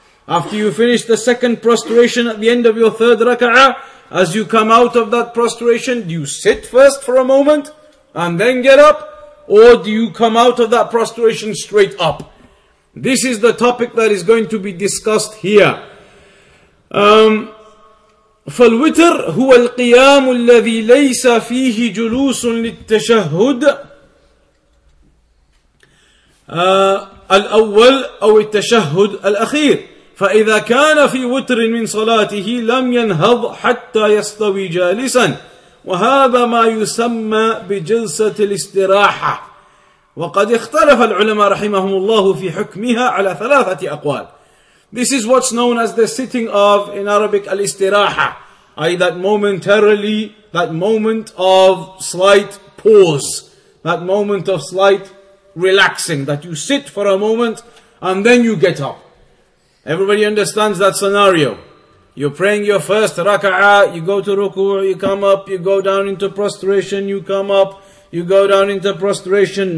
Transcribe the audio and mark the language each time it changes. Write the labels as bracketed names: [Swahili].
[English] After you finish the second prostration at the end of your third raka'ah, as you come out of that prostration, do you sit first for a moment and then get up, or do you come out of that prostration straight up? This is the topic that is going to be discussed here. [Arabic] فالوتر هو القيام الذي ليس فيه جلوس للتشهد الأول أو التشهد الأخير. فإذا كان في وتر من صلاته لم ينهض حتى يستوي جالسا وهذا ما يسمى بجلسة الاستراحة وقد اختلف العلماء رحمهم الله في حكمها على ثلاثة أقوال. [English] This is what's known as the sitting of, in Arabic, al-istiraha, i.e. that momentarily, that moment of slight pause, that moment of slight relaxing, that you sit for a moment and then you get up. Everybody understands that scenario. You're praying your first raka'ah, you go to ruku', you come up, you go down into prostration, you come up, you go down into prostration.